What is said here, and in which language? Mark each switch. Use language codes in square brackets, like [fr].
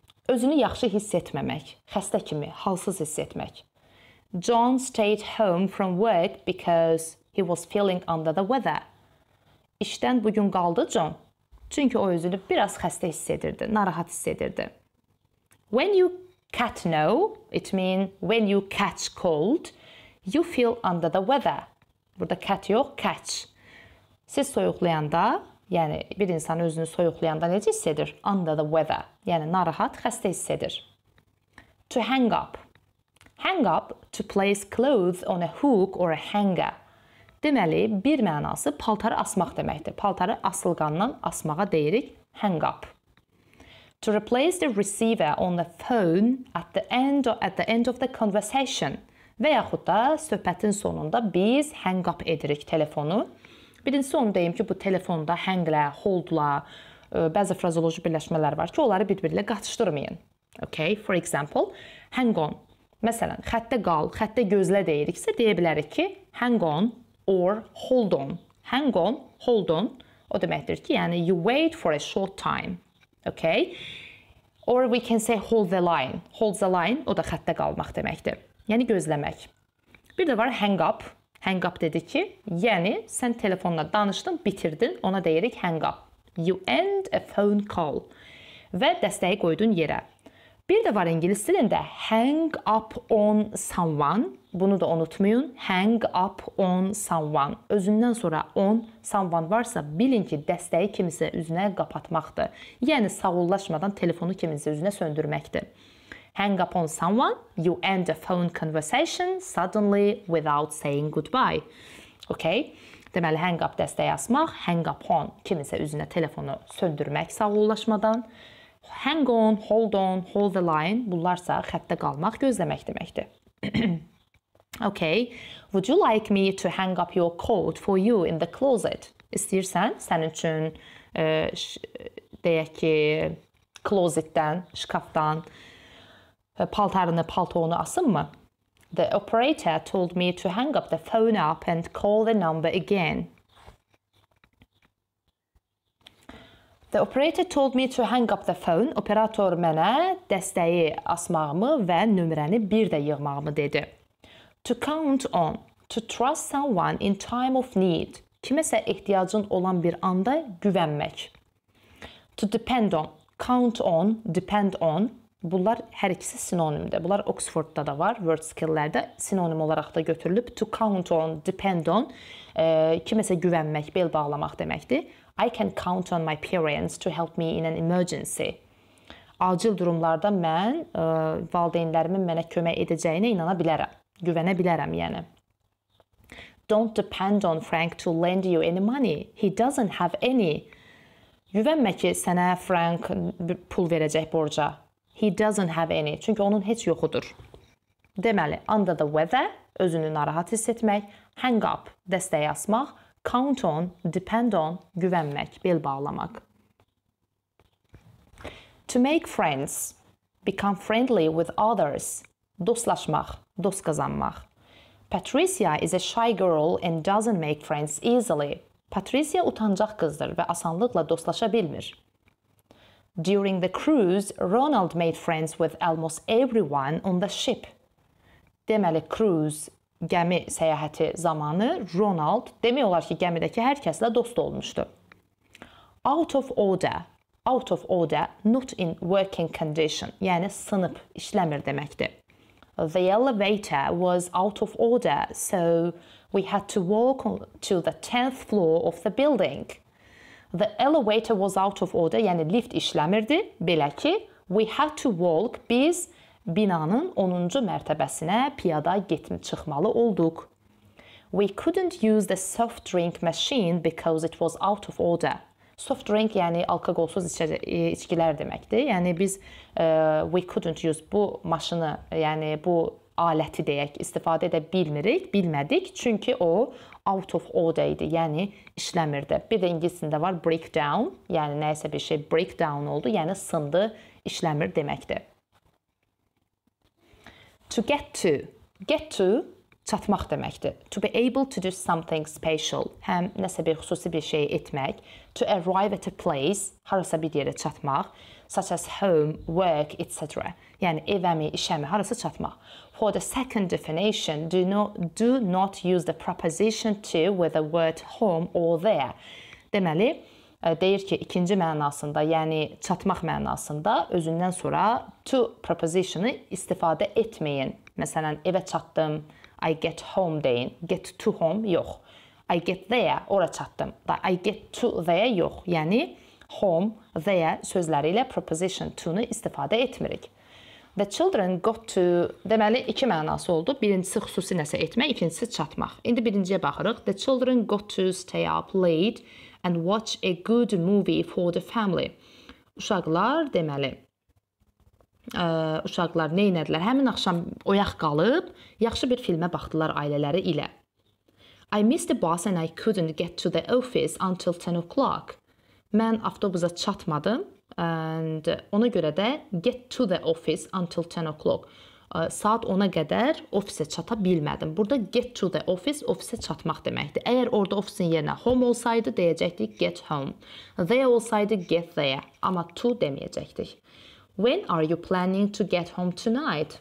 [az] Özünü yaxşı hiss etməmək, xəstə kimi, halsız hiss etmək. [en] John stayed home from work because he was feeling under the weather. [az] İşdən bugün qaldı John, çünki o özünü biraz xəstə hiss edirdi, narahat hiss edirdi. [en] When you catnow, it means when you catch cold, you feel under the weather. [az] Burada cat yox, catch. Siz soyuqlayanda, yəni bir insan özünü soyuqlayanda necə hiss edir? [en] Under the weather, [az] yəni narahat, xəstə hiss edir. [en] To hang up. Hang up, to place clothes on a hook or a hanger. [az] Deməli, bir mənası paltarı asmaq deməkdir. Paltarı asılqandan asmağa deyirik hang up. [en] To replace the receiver on the phone at the end or at the end of the conversation. [az] Və yaxud da söhbətin sonunda biz hang up edirik telefonu. Birincisi onu deyim ki, bu telefonda hanglə, holdla, bəzi frazeoloji birləşmələr var ki, onları bir-birilə qatışdırmayın. [en] Okay, for example, hang on. [az] Məsələn, xəttə qal, xəttə gözlə deyiriksə, deyə bilərik ki, [en] hang on or hold on. Hang on, hold on. [az] O deməkdir ki, yəni [en] you wait for a short time. Okay. Or we can say hold the line. Hold the line, [az] o da xəttə qalmaq deməkdir. Yəni gözləmək. Bir də var hang up. Hang up dedi ki, yəni sən telefonla danışdın, bitirdin, ona deyirik hang up. [en] You end a phone call. [az] Və dəstəyi qoydun yerə. Bir də var ingilis dilində [en] hang up on someone. [az] Bunu da unutmayın. [en] Hang up on someone. [az] Özündən sonra on someone varsa bilin ki, dəstəyi kimisə üzünə qapatmaqdır. Yəni, sağollaşmadan telefonu kimisə üzünə söndürməkdir. [en] Hang up on someone, you end a phone conversation suddenly without saying goodbye. Okay? [az] Deməli, hang up dəstəyi asmaq, hang up on kimisə üzünə telefonu söndürmək sağollaşmadan. [en] Hang on, hold the line, [az] bunlarsa xəttə qalmaq, gözləmək deməkdir. [en] Okay, would you like me to hang up your coat for you in the closet? [az] İstəyirsən, sənin üçün, deyək ki, closetdən, şkafdan paltarını, paltonu asın mı? [en] The operator told me to hang up the phone up and call the number again. The operator told me to hang up the phone. [az] Operator mənə dəstəyi asmağımı və nömrəni bir də yığmağımı dedi. [en] To count on, to trust someone in time of need. [az] Kiməsə ehtiyacın olan bir anda güvənmək. [en] To depend on, count on, depend on. [az] Bunlar hər ikisi sinonimdir. Bunlar Oxford'da da var, WordSkill-lərdə sinonim olaraq da götürülüb. [en] To count on, depend on, [az] kiməsə güvənmək, bel bağlamaq deməkdir. [en] I can count on my parents to help me in an emergency. [az] Acil durumlarda mən valideynlərimin mənə kömək edəcəyinə inana bilərəm. Güvənə bilərəm, yəni. [en] Don't depend on Frank to lend you any money. He doesn't have any. [az] Güvənmə ki, sənə Frank pul verəcək borca. [en] He doesn't have any. [az] Çünki onun heç yoxudur. Deməli, [en] under the weather, [az] özünü narahat hiss etmək, hang up, dəstəyi asmaq, [en] count on, depend on, [az] güvənmək, bel bağlamaq. [en] To make friends, become friendly with others. [az] Dostlaşmaq, dost qazanmaq. [en] Patricia is a shy girl and doesn't make friends easily. [az] Patricia utancaq qızdır və asanlıqla dostlaşa bilmir. [en] During the cruise, Ronald made friends with almost everyone on the ship. [az] Deməli, cruise, gəmi səyahəti zamanı Ronald demək olar ki, gəmidəki hər kəslə dost olmuşdu. [en] Out of order. Out of order, not in working condition. [az] Yəni, sınıb, işləmir deməkdir. [en] The elevator was out of order, so we had to walk to the 10th floor of the building. The elevator was out of order, [az] yəni lift işləmirdi, belə ki, [en] we had to walk, [az] biz binanın 10-cu mərtəbəsinə piyada çıxmalı olduq. [en] We couldn't use the soft drink machine because it was out of order. [az] Soft drink, yəni alkoqolsuz içkilər deməkdir. Yəni biz [en] we couldn't use [az] bu maşını, yəni bu aləti deyək, istifadə edə bilmirik, bilmədik. Çünki o [en] out of order [az] idi, yəni işləmirdi. Bir də ingilisində var breakdown, yəni nəyəsə bir şey breakdown oldu, yəni sındı, işləmir deməkdir. [en] To get to. Get to, [az] çatmaq deməkdir. [en] To be able to do something special. [az] Həm nəsə bir xüsusi bir şey etmək. [en] To arrive at a place, [az] harasa bir yerə çatmaq. [en] Such as home, work, etc. [az] Yəni, evəmi, işəmi, harasa çatmaq. [en] For the second definition, do not use the preposition to with the word home or there. [az] Deməli, deyir ki, ikinci mənasında, yəni çatmaq mənasında özündən sonra to prepositionı istifadə etməyin. Məsələn, evə çatdım, [en] I get home [az] deyin. [en] Get to home, [az] yox. [en] I get there, [az] ora çatdım. [en] I get to there, [az] yox. Yəni, home, there sözləri ilə preposition to-nu istifadə etmirik. [en] The children got to, [az] deməli, iki mənası oldu. Birincisi xüsusi nəsə etmək, ikincisi çatmaq. İndi birinciyə baxırıq. [en] The children got to stay up late and watch a good movie for the family. [az] Uşaqlar, deməli, uşaqlar neynədilər? Həmin axşam oyaq qalıb, yaxşı bir filmə baxdılar ailələri ilə. [en] I missed the bus and I couldn't get to the office until 10 o'clock. [az] Mən avtobusa çatmadım [en] and [az] ona görə də [en] get to the office until 10 o'clock. [az] Saat 10-a qədər ofisə çata bilmədim. Burada [en] get to the office, [az] ofisə çatmaq deməkdir. Əgər orada ofisin yerinə home olsaydı, deyəcəkdik [en] get home. [az] There olsaydı, [en] get there. [az] Amma to deməyəcəkdik. [en] When are you planning to get home tonight?